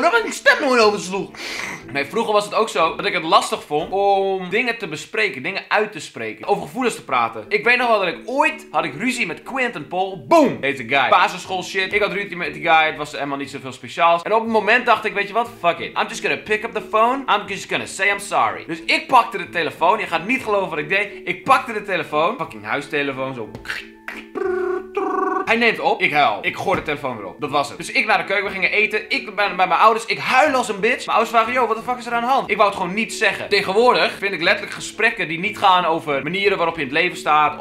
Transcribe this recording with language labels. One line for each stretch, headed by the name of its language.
Dutch: Dan ben ik stem nooit over sloeg. Nee, vroeger was het ook zo dat ik het lastig vond om dingen te bespreken, dingen uit te spreken, over gevoelens te praten. Ik weet nog wel dat ik ooit had ik ruzie met Quinten Paul. Boom! Deze guy. Basisschool shit. Ik had ruzie met die guy. Het was helemaal niet zoveel speciaals. En op het moment dacht ik, weet je wat?
English: Fuck it. I'm just gonna pick up the phone. I'm just gonna say I'm sorry.
Dutch: Dus ik pakte de telefoon. Je gaat niet geloven wat ik deed. Ik pakte de telefoon. Fucking huistelefoon. Zo. Hij neemt op. Ik huil. Ik gooi de telefoon weer op. Dat was het. Dus ik naar de keuken. We gingen eten. Ik ben bij mijn ouders. Ik huil als een bitch. Mijn ouders vragen, yo, wat de fuck is er aan de hand? Ik wou het gewoon niet zeggen. Tegenwoordig vind ik letterlijk gesprekken die niet gaan over manieren waarop je in het leven staat.